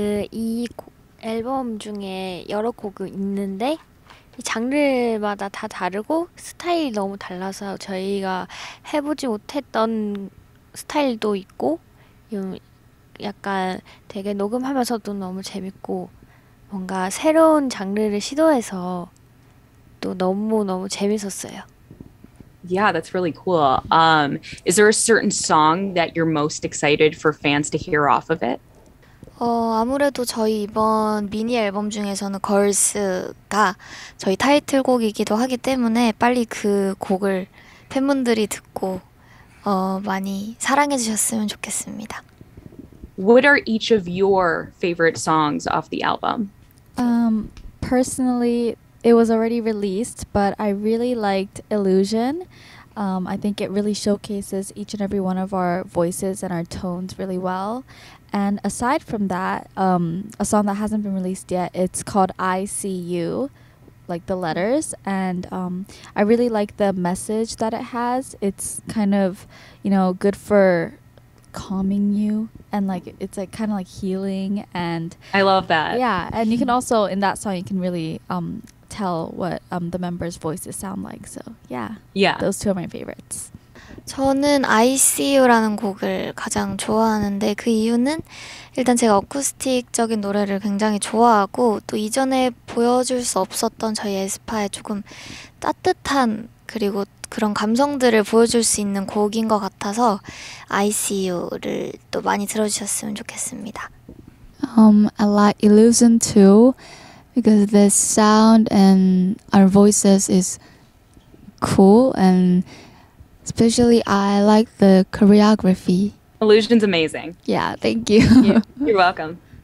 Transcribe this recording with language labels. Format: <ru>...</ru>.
<ko>이 앨범 중에 여러 곡이 있는데 장르마다 다 다르고 스타일이 너무 달라서 저희가 해보지 못했던 스타일도 있고 약간 되게 녹음하면서도 너무 재밌고 뭔가 새로운 장르를 시도해서 또 너무너무 재밌었어요.</ko> <en>Yeah, that's really cool. Is there a certain song that you're most excited for fans to hear off of it?</en> <ko>아무래도 저희 이번 미니 앨범 중에서는 걸스가 저희 타이틀곡이기도 하기 때문에 빨리 그 곡을 팬분들이 듣고 많이 사랑해 주셨으면 좋겠습니다.</ko> <en>What are each of your favorite songs off the album? Personally, it was already released, but I really liked Illusion. I think it really showcases each and every one of our voices and our tones really well. And aside from that, a song that hasn't been released yet, it's called I See You, like the letters. And I really like the message that it has. It's kind of, you know, good for calming you and like it's like kind of like healing and I love that. Yeah, and you can also in that song you can really tell what the members' voices sound like. So, yeah. Yeah. Those two are my favorites.</en> <ko>저는 I See You라는 곡을 가장 좋아하는데 그 이유는 일단 제가 어쿠스틱적인 노래를 굉장히 좋아하고 또 이전에 보여줄 수 없었던 저희 에스파의 조금 따뜻한 그리고 그런 감성들을 보여줄 수 있는 곡인 것 같아서 I See You를 또 많이 들어주셨으면 좋겠습니다.</ko> <en>I like Illusion too because the sound and our voices is cool and especially I like the choreography. Illusion's amazing. Yeah, thank you. You're welcome.</en>